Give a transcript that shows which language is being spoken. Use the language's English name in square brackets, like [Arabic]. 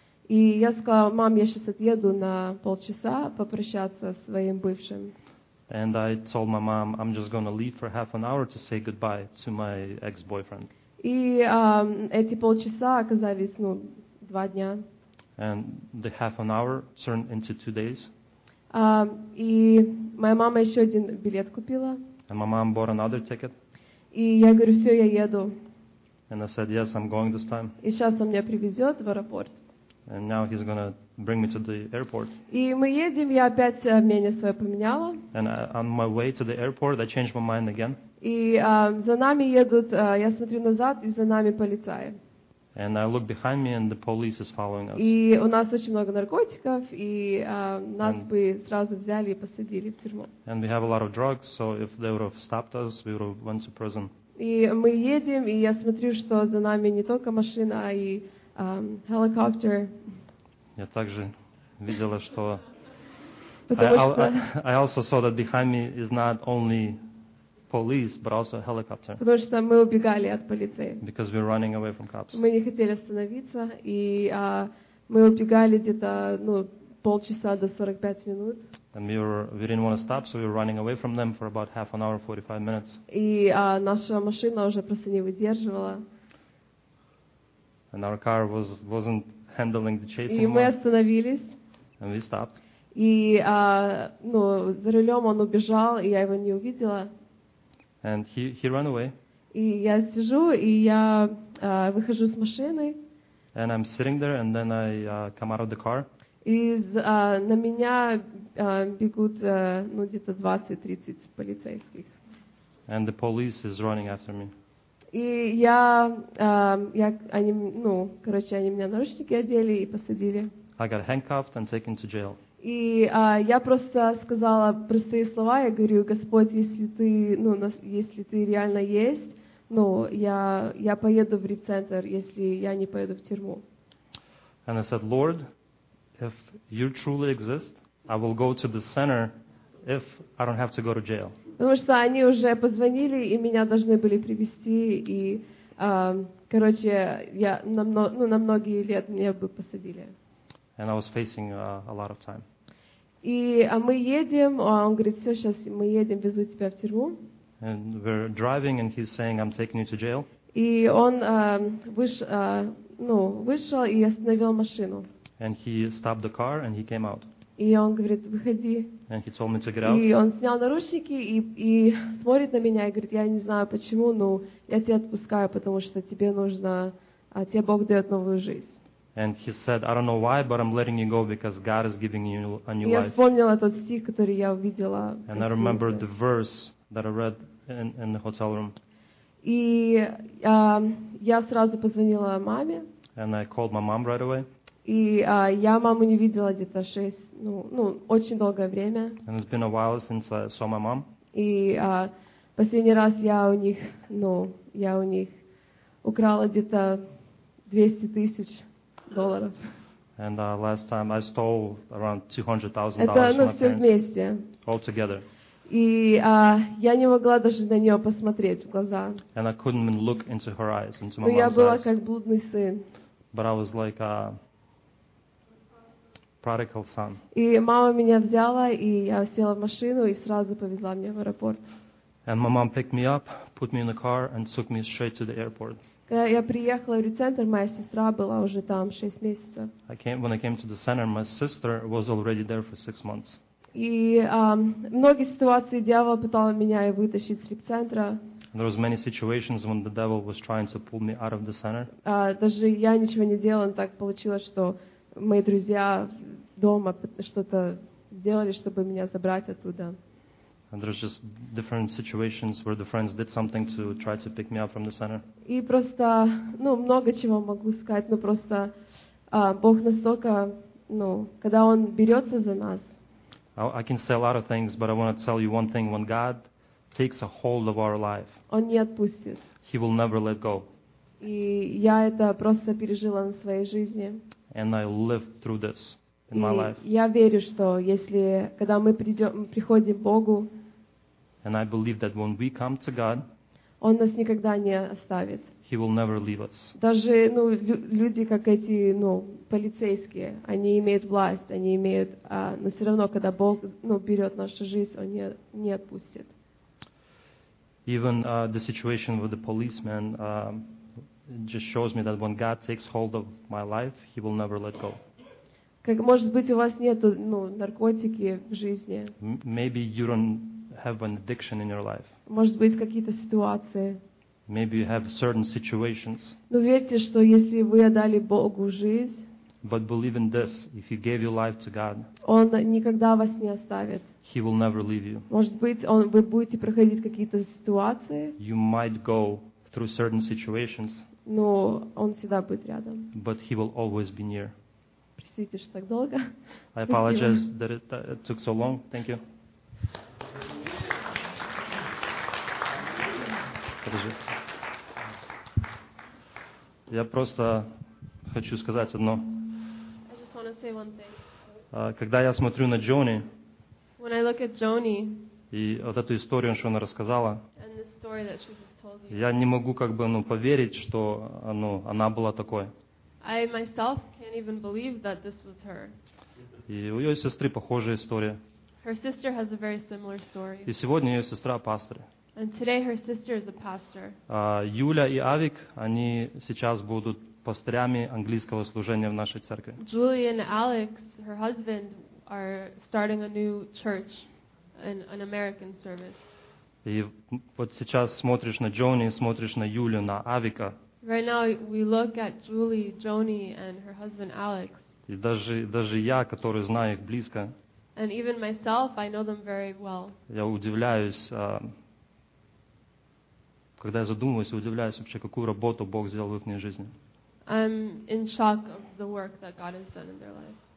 [Russian] И я сказала: "Мам, я сейчас отъеду на полчаса попрощаться со своим бывшим". [English] And I told my mom, "I'm just going to leave for half an hour to say goodbye to my ex-boyfriend". [Russian] И эти полчаса оказались, два дня. [English] And the half an hour turned into 2 days. [Russian] И моя мама еще один билет купила. [English] And my mom bought another ticket. [Russian] И я говорю, все, я еду. [English] And I said, yes, I'm going this time. [Russian] И сейчас он меня привезет в аэропорт. [English] And now he's gonna bring me to the airport. [Russian] И мы едем, я опять мнение свое поменяла. [English] And on my way to the airport, I changed my mind again. [Russian] И за нами едут, я смотрю назад, и за нами полицаи. [English] And I look behind me, and the police is following us. [Russian] И у нас очень много наркотиков, и нас бы сразу взяли и посадили в тюрьму. [English] And we have a lot of drugs, so if they would have stopped us, we would have went to prison. [Russian] И мы едем, и я смотрю, что за нами не только машина, а и helicopter. Я также видела, что. [English] I also saw that behind me is not only police, but also a helicopter. [Russian] Потому что мы убегали от полиции. [English] Because we're running away from cops. [Russian] Мы не хотели остановиться, и мы убегали где-то полчаса до 45 минут. [English] And we didn't want to stop, so we were running away from them for about half an hour, 45 minutes. [Russian] И наша машина уже просто не выдерживала. [English] And our car wasn't handling the chase anymore. [Russian] И мы остановились. [English] And we stopped. [Russian] И за рулем он убежал, и я его не увидела. [English] And he ran away. [Russian] И я сижу, и я выхожу с машины. [English] And I'm sitting there, and then I come out of the car. [Russian] И на меня бегут где-то 20-30 полицейских. [English] And the police is running after me. [Russian] И они меня наручники одели и посадили. [English] I got handcuffed and taken to jail. [Russian] И я просто сказала простые слова. Я говорю: Господь, если ты реально есть, я поеду в реп-центр, если я не поеду в тюрьму. [English] And I said, Lord, if you truly exist, I will go to the center if I don't have to go to jail. [Russian] Потому что они уже позвонили и меня должны были привести, и короче, я на многие лет меня бы посадили. [English] And I was facing a lot of time. [Russian] И мы едем, он говорит: все, сейчас мы едем, везу тебя в тюрьму. [English] And we're driving, and he's saying, I'm taking you to jail. [Russian] И он вышел и остановил машину. [English] And he stopped the car, and he came out. [Russian] И он говорит: выходи. [English] And he told me to get out. [Russian] И он снял наручники и смотрит на меня и говорит: я не знаю почему, но я тебя отпускаю, потому что тебе нужно, тебе Бог дает новую жизнь. [English] And he said, I don't know why, but I'm letting you go because God is giving you a new [Russian] я [English] life. [Russian] Я вспомнила тот стих, который я увидела. [English] And I remember the verse that I read in the hotel room. [Russian] И я сразу позвонила маме. [English] And I called my mom right away. [Russian] И я маму не видела где-то 6, очень долгое время. [English] And it's been a while since I saw my mom. [Russian] И последний раз я у них, я у них украла где-то 200 тысяч долларов. [English] And last time I stole around $200,000 from my parents. [Russian] Это все вместе. [English] All together. [Russian] И я не могла даже на нее посмотреть в глаза. [English] And I couldn't even look into her eyes, into my [Russian] Но я была как блудный сын. [English] But I was like a prodigal son. [Russian] И мама меня взяла, и я села в машину и сразу повезла меня в аэропорт. [English] And my mom picked me up, put me in the car, and took me straight to the airport. [Russian] Когда я приехала в центр, моя сестра была уже там 6 месяцев. [English] When I came to the center, my sister was already there for 6 months. [Russian] И многие ситуации дьявол пытался меня и вытащить из центра. [English] There was many situations when the devil was trying to pull me out of the center. [Russian] Даже я ничего не делала, так получилось, что мои друзья дома что-то сделали, чтобы меня забрать оттуда. [English] And there's just different situations where the friends did something to try to pick me up from the center. [Russian] И просто, много чего могу сказать, но просто Бог настолько, когда Он берется за нас. [English] I can say a lot of things, but I want to tell you one thing. When God takes a hold of our life, [Russian] Он не отпустит. [English] He will never let go. [Russian] И я это просто пережила на своей жизни. [English] And I lived through this. [Russian] И я верю, что если, когда мы приходим к Богу, [English] and I believe that when we come to God, [Russian] Он нас никогда не оставит. [English] He will never leave us. [Russian] Даже люди, как эти полицейские, они имеют власть, они имеют, но все равно, когда Бог берет нашу жизнь, Он не отпустит. [English] Even the situation with the policeman just shows me that when God takes hold of my life, He will never let go. [Russian] Как может быть у вас нету наркотики в жизни? [English] Maybe you don't have an addiction in your life. [Russian] Может быть какие-то ситуации? [English] Maybe you have certain situations. [Russian] Но верьте, что если вы отдали Богу жизнь, [English] but believe in this, if you gave your life to God, [Russian] Он никогда вас не оставит. [English] He will never leave you. [Russian] Может быть, вы будете проходить какие-то ситуации? [English] You might go through certain situations. [Russian] Но Он всегда будет рядом. [English] But He will always be near. [Russian] Простите, что так долго. [English] I apologize that it took so long. Thank you. [Russian] Я просто хочу сказать одно. [English] I just want to say one thing. [Russian] Когда я смотрю на Джони, [English] when I look at Joni, [Russian] и вот эту историю, что она рассказала, [English] and the story that she just told you, [Russian] я не могу поверить, что она была такой. [English] I myself can't even believe that this was her. [Russian] И у ее сестры похожая история. [English] Her sister has a very similar story. [Russian] И сегодня ее сестра пастор. [English] And today her sister is a pastor. [Russian] Юля и Авик, они сейчас будут пастырями английского служения в нашей церкви. [English] Julie and Alex, her husband, are starting a new church, an American service. [Russian] И вот сейчас смотришь на Джони, смотришь на Юлю, на Авика. [English] Right now we look at Julie, Joni, and her husband Alex. [Russian] И даже я, который знаю их близко. [English] And even myself, I know them very well. [Russian] Я удивляюсь, когда я задумываюсь, я удивляюсь вообще, какую работу Бог сделал в их жизни. [English] I'm in shock of the work that God has done in their life.